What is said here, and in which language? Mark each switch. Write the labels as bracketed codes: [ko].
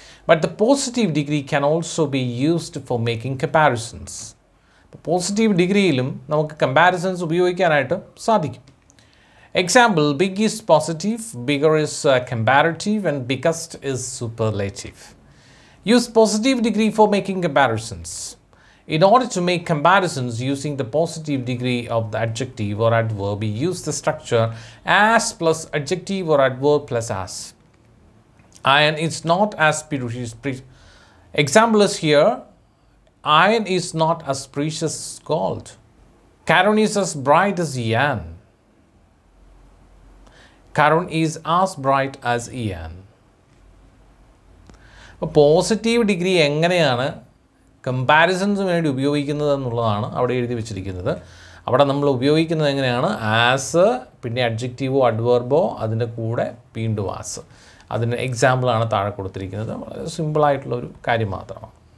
[en] But the positive degree can also be used for making comparisons. [ml] അപ്പോൾ positive ഡിഗ്രിയിലും നമുക്ക് comparisons ഉപയോഗിക്കാനായിട്ട് സാധിക്കും. [en] Example: big is positive, bigger is comparative, and biggest is superlative. Use positive degree for making comparisons. In order to make comparisons using the positive degree of the adjective or adverb, we use the structure as plus adjective or adverb plus as. Iron is not as precious. Example is here: iron is not as precious as gold. Karun is as bright as yarn. Karun is as bright as yarn. [ml] Positive degree എങ്ങനെയാണ് comparisons വേണ്ടി ഉപയോഗിക്കുന്നത് എന്നുള്ളതാണ് അവിടെ എഴുതി വെച്ചിരിക്കുന്നത്. അവിടെ നമ്മൾ ഉപയോഗിക്കുന്നത് എങ്ങനെയാണ്? ആസ്, പിന്നെ അഡ്ജക്റ്റീവോ അഡ്വേർബോ, അതിൻ്റെ കൂടെ വീണ്ടും ആസ്. അതിന് എക്സാമ്പിളാണ് താഴെ കൊടുത്തിരിക്കുന്നത്. വളരെ സിമ്പിളായിട്ടുള്ള ഒരു കാര്യം മാത്രമാണ്.